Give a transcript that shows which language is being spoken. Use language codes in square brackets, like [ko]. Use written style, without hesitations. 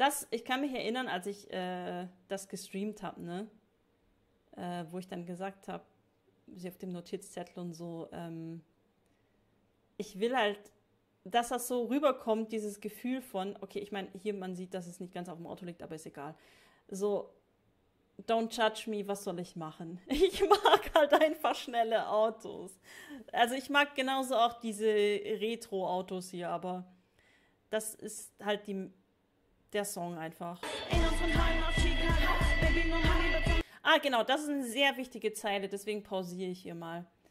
[de] Ich kann mich erinnern, als ich das gestreamt habe, ne? Wo ich dann gesagt habe, sie auf dem Notizzettel und so, ich will halt, dass das so rüberkommt, dieses Gefühl von, okay, ich meine, hier man sieht, dass es nicht ganz auf dem Auto liegt, aber ist egal. [en] So, don't judge me, [de] was soll ich machen? Ich mag halt einfach schnelle Autos. Also ich mag genauso auch diese Retro-Autos hier, aber das ist halt die. Der Song einfach. Ah, genau, das ist eine sehr wichtige Zeile, deswegen pausiere ich hier mal.